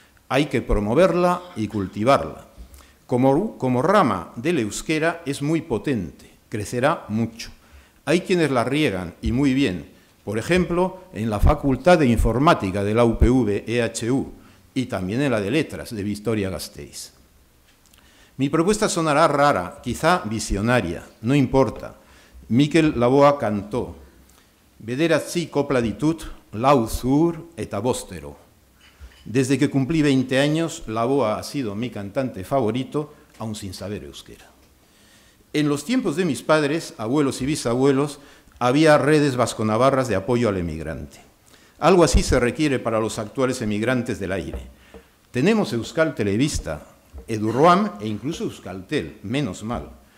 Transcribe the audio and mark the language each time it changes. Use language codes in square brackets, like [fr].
[es] Hay que promoverla y cultivarla. Como rama del euskera es muy potente, crecerá mucho. Hay quienes la riegan, y muy bien, por ejemplo, en la Facultad de Informática de la UPV-EHU y también en la de Letras de Vitoria-Gasteiz. Mi propuesta sonará rara, quizá visionaria, no importa. [eu] Mikel Laboa [es] cantó, [eu] «Bederatzi kopla ditut, lau zuhur eta bostero». [es] Desde que cumplí 20 años, Laboa ha sido mi cantante favorito, aun sin saber euskera. En los tiempos de mis padres, abuelos y bisabuelos, había redes vasconavarras de apoyo al emigrante. Algo así se requiere para los actuales emigrantes del aire. Tenemos Euskal Televista, Eduroam e incluso Euskaltel, menos mal.